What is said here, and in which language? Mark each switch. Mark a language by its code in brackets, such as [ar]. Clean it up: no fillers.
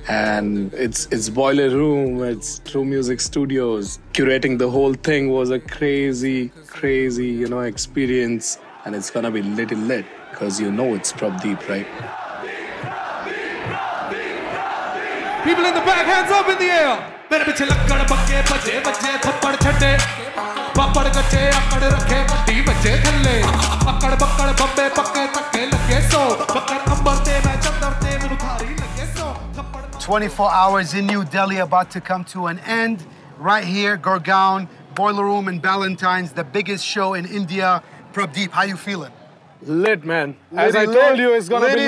[en] And it's Boiler Room, it's True Music Studios. Curating the whole thing was a crazy, crazy, you know, experience. And it's gonna be little lit, because you know it's Prabh Deep, right? People in the back, hands up in the air! [pa] ਮੇਰੇ ਪਿੱਛੇ ਲੱਕੜ ਬੱਗੇ ਭੱਜੇ ਵੱਜੇ ਥੱਪੜ ਛੱਡੇ ਪਾਪੜ ਕੱਚੇ ਆਕੜ ਰੱਖੇ ਵੱਡੀ ਵੱਜੇ ਥੱਲੇ ਅੱਕੜ ਬੱਕੜ ਬੰਬੇ ਪੱਕੇ ਧੱਕੇ ਲੱਗੇ ਸੋ ਬੱਕਰ ਅੰਬਰ ਤੇ ਮੈਂ ਚੰਦਰ ਤੇ ਮੈਨੂੰ ਥਾਰੀ ਲੱਗੇ ਸੋ ਥੱਪੜ [en] 24 hours in New Delhi about to come to an end right here Gurgaon Boiler Room and Ballantine's the biggest show in India. Prabh Deep, how you feeling? Lit, man. As I told you, it's gonna be